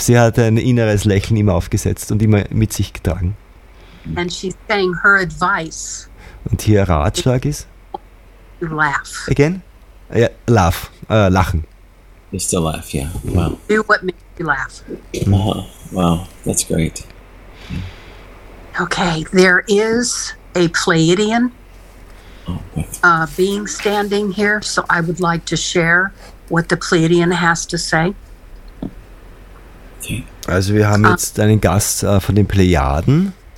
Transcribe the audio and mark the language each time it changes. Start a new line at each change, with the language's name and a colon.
German: Sie hat ein inneres Lächeln immer aufgesetzt und immer mit sich getragen.
English: And she's saying her advice.
German: Und hier Ratschlag ist.
English: Laugh. Again? Yeah, laugh. Lachen. Just to laugh, yeah. Wow. Do what makes you laugh. Wow, that's great. Okay, there is a Pleiadian being standing here, so I would like to share what the Pleiadian has to say.
German: Also wir haben jetzt einen Gast von den Plejaden.